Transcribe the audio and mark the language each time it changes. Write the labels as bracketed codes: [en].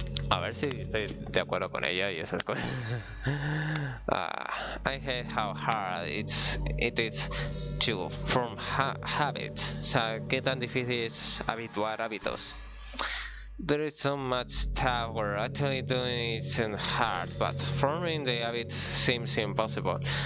[es] A ver si estoy de acuerdo con ella y esas cosas. [en] I hate how hard it is to form habits. [es] O sea, qué tan difícil es habituar hábitos. [en] There is so much stuff we're actually doing it isn't hard, but forming the habit seems impossible.